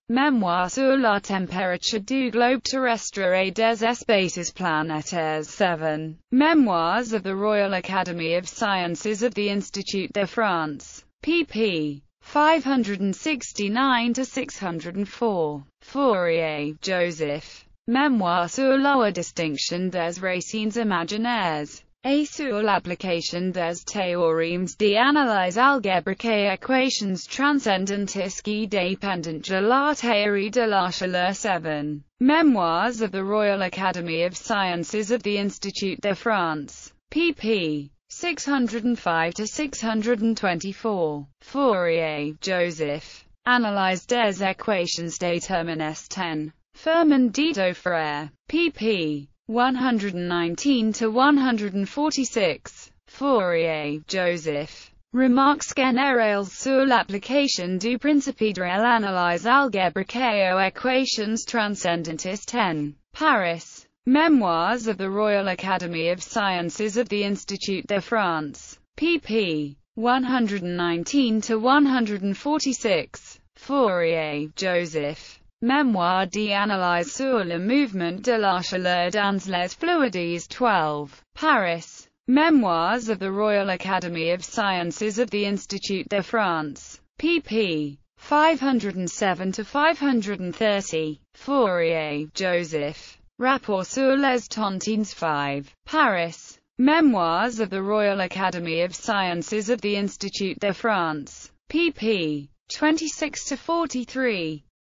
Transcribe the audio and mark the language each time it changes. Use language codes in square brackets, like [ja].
[fr] Mémoire sur la température du globe terrestre et des espaces planétaires 7. [en] Memoirs of the Royal Academy of Sciences of the Institut de France. pp. 569-604. Fourier, Joseph. [fr] Memoir sur la distinction des racines imaginaires et sur l'application des théorèmes d'analyse algébrique et équations transcendantes qui dépendent de la théorie de la chaleur 7. [en] Memoirs of the Royal Academy of Sciences of the Institut de France. pp. 605-624. [fr] Fourier, Joseph. Analyse des équations déterminées 10. Firmin d'Auxerre. pp. 119-146. Fourier, Joseph. Remarques générales sur l'application du principe de l'analyse algébrique aux équations transcendantes 10. Paris. [en] Memoirs of the Royal Academy of Sciences of the Institut de France. pp. 119-146. Fourier, Joseph. [fr] Memoir d'analyse sur le mouvement de la chaleur dans les fluides 12. Paris. [en] Memoirs of the Royal Academy of Sciences of the Institut de France. pp. 507-530. [fr] Fourier, Joseph. Rapport sur les tontines 5. Paris. [en] Memoirs of the Royal Academy of Sciences of the Institut de France. pp. 26-43.